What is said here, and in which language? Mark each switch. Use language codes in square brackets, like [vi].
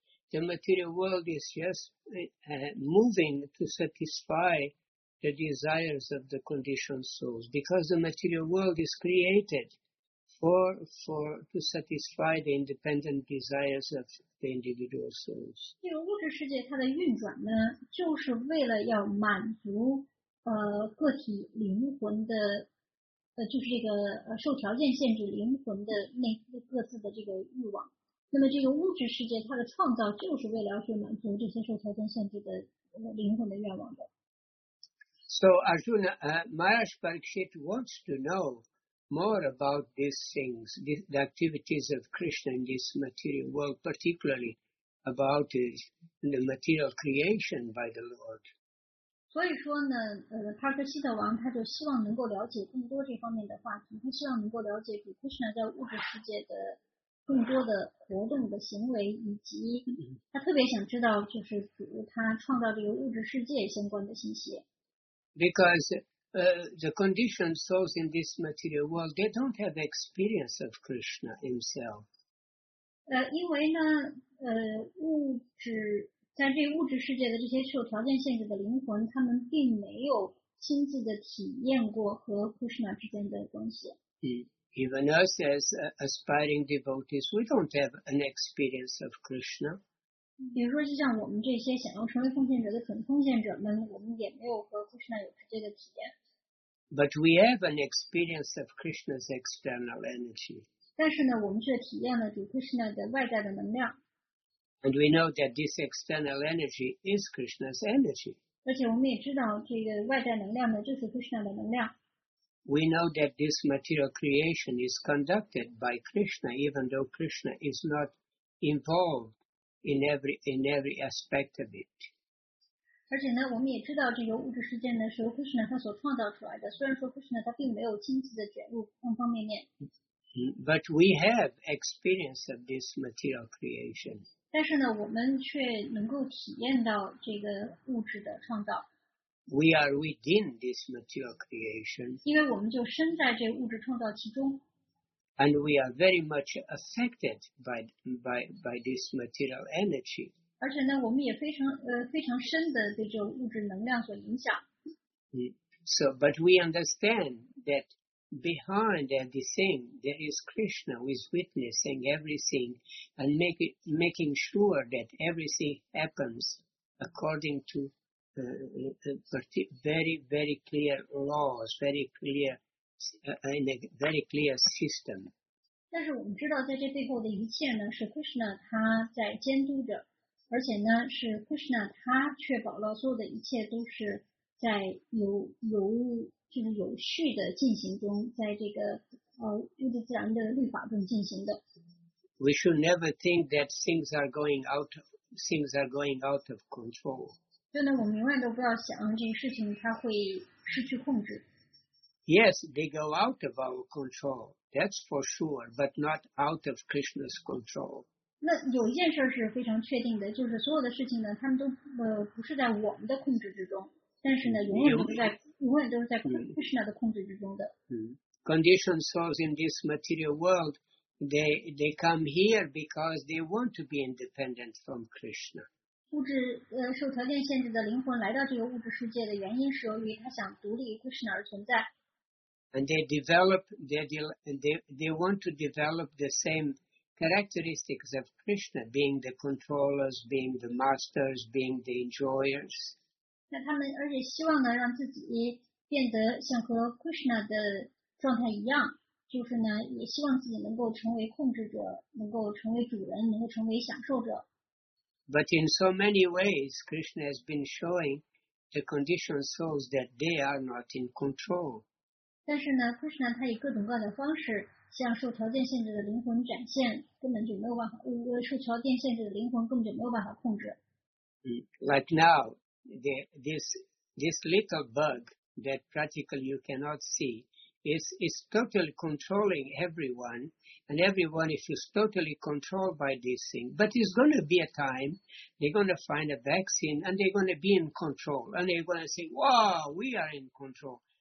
[en] The material world is just moving to satisfy the desires of the conditioned souls, because the material world is created for to satisfy the independent desires of the individual souls. [zh] 这个物质世界它的运转呢，就是为了要满足个体灵魂的就是这个受条件限制灵魂的那各自的这个欲望。那么这个物质世界它的创造就是为了去满足这些受条件限制的灵魂的愿望的。 [en] So Arjuna, Maharaj Parikshit wants to know more about these things, the activities of Krishna in this material world, particularly about the material creation by the Lord. [zh] 所以说呢，帕克希特王他就希望能够了解更多这方面的话题，他希望能够了解比 Krishna 在物质世界的更多的活动的行为，以及他特别想知道就是主他创造这个物质世界相关的信息。 [en] Because the conditioned souls in this material world, they don't have experience of Krishna himself. [zh] 因为呢，物质在这物质世界的这些受条件限制的灵魂，他们并没有亲自的体验过和 Krishna 之间的关系。 [en] Even us as aspiring devotees, we don't have an experience of Krishna. [zh] 比如说，就像我们这些想要成为奉献者的准奉献者们，我们也没有和 Krishna 有直接的体验。 [en] But we have an experience of Krishna's external energy. [zh] 但是呢，我们却体验了主 Krishna 的外在的能量。 [en] And we know that this external energy is Krishna's energy. [zh] 而且我们也知道，这个外在能量呢，就是 Krishna 的能量。 [en] We know that this material creation is conducted by Krishna, even though Krishna is not involved in every aspect of it. [zh] 而且呢，我们也知道这个物质世界呢是由 Krishna 他所创造出来的。虽然说 Krishna 他并没有亲自的卷入方方面面。 [en] But we have experience of this material creation. [zh] 但是呢，我们却能够体验到这个物质的创造。 [en] We are within this material creation. [zh] 因为我们就身在这物质创造其中。 [en] And we are very much affected by this material energy. [zh] 而且呢，我们也非常深的被这物质能量所影响。 [en] So, but we understand that behind everything there is Krishna who is witnessing everything and making sure that everything happens according to very, very clear laws, very clear, in a very clear system. [zh] 但是我们知道，在这背后的一切呢，是 Krishna 他在监督着，而且呢，是 Krishna 他确保了所有的一切都是在有序的进行中，在这个物质自然的律法中进行的。 [en] We should never think that things are going out of control. [zh] 真的，我们永远都不要想这个事情它会失去控制。 [en] Yes, they go out of our control. That's for sure, but not out of Krishna's control. [zh] 那有一件事是非常确定的，就是所有的事情呢，他们都不是在我们的控制之中，但是呢，永远都是在 Krishna 的控制之中的。 [en] Conditioned souls in this material world, they come here because they want to be independent from Krishna. [zh] 物质受条件限制的灵魂来到这个物质世界的原因是由于他想独立 Krishna 而存在。 [en] And they want to develop the same characteristics of Krishna, being the controllers, being the masters, being the enjoyers. [zh] 那他们而且希望呢让自己变得像和 Krishna 的状态一样，就是呢也希望自己能够成为控制者，能够成为主人，能够成为享受者。 [en] But in so many ways, Krishna has been showing the conditioned souls that they are not in control. [zh] 但是呢 ，Krishna 他以各种各样的方式向受条件限制的灵魂展现，根本就没有办法，受条件限制的灵魂根本就没有办法控制。 [en] Like now, this this little bug that practically you cannot see is totally controlling everyone, and everyone is totally controlled by this thing. But it's going to be a time they're going to find a vaccine and they're going to be in control, and they're going to say, wow, we are in control.